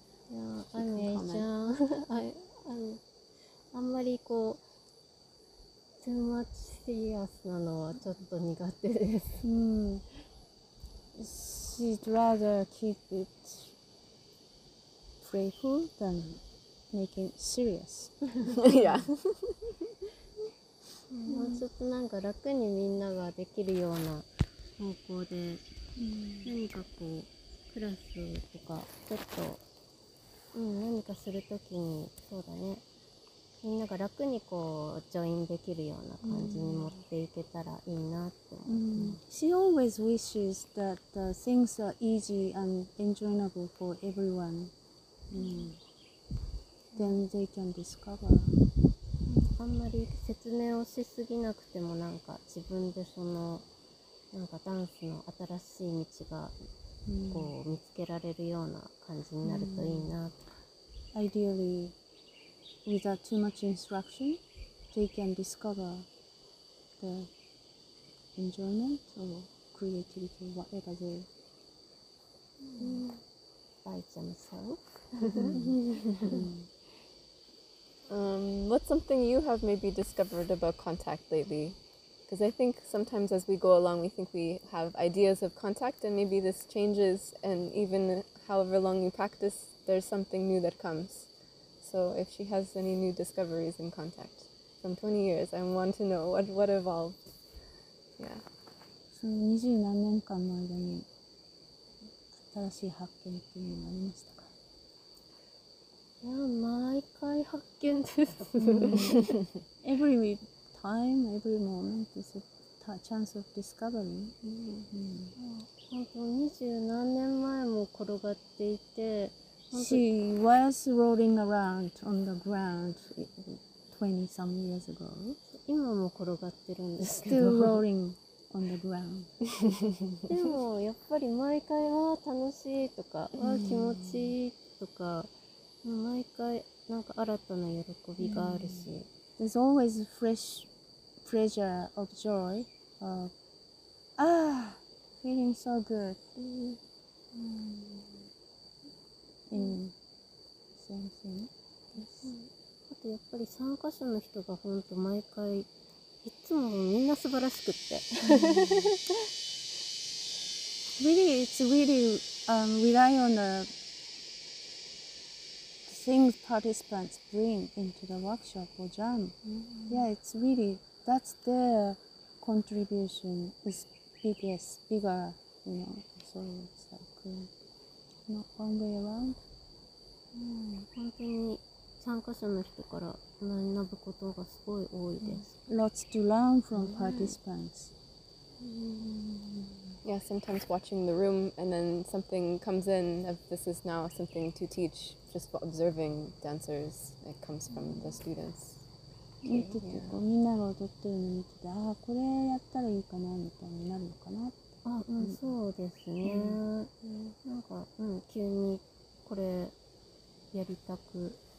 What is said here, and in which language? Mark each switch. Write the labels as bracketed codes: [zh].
[en] Yeah, I'm Asian. [ja] あんまりこう [en] too much serious [ja] なのはちょっと苦手です。 [en] She'd rather keep it playful than making it serious. Yeah. [ja] もうちょっとなんか楽にみんなができるような方向で、何かこうクラスとかちょっと、何かするときに、そうだね、みんなが楽にこうジョインできるような感じに持っていけたらいいなって思って。 [en] She always wishes that the things are easy and enjoyable for everyone. Then they can discover. [ja] あんまり説明をしすぎなくても、なんか自分でそのなんかダンスの新しい道がこう見つけられるような感じになるといいなと。 [en] Ideally, without too much instruction, they can discover the enjoyment or creativity, whatever they by themselves. What's something you have maybe discovered about contact lately? Because I think sometimes as we go along, we think we have ideas of contact, and maybe this changes, and even however long you practice, there's something new that comes. So if she has any new discoveries in contact from 20 years, I want to know what evolved. Yeah. [ja] So 20 何年間の間に新しい発見っていうのがありましたか？いや、毎回発見です。 [en] Every time, every moment is a chance of discovery. [ja] 20何年前も転がっていて、 [en] She was rolling around on the ground 20 some years ago. [ja] 今も転がってるんですけど [en] Still rolling on the ground [ja] でもやっぱり毎回は楽しいとか、うん、は気持ちいいとか毎回なんか新たな喜びがあるし、うん、 [en] There's always a fresh pleasure of joy of feeling so good、 [ja] うん、 [en] in same thing、うん [ja] やっぱり参加者の人が本当毎回いつもみんな素晴らしくって、 mm. [en] Really, it's really、rely on the things participants bring into the workshop or jam、mm. Yeah, it's really, that's their contribution is biggest, bigger, you know So it's like、not one way around、 mm. [ja] 本当に参加者の人から学ぶことがすごい多いです。 [en] Mm. Lots to learn from participants. Mm. Yeah, sometimes watching the room and then something comes in, if this is now something to teach, just observing dancers, it comes from the students. [ja] 見てて、こうみんなが踊ってるの見てて、ああ、これやったらいいかなみたいになるのかなって。あ、うん、そうですね。Mm. なんか、うん、急にこれやりたく。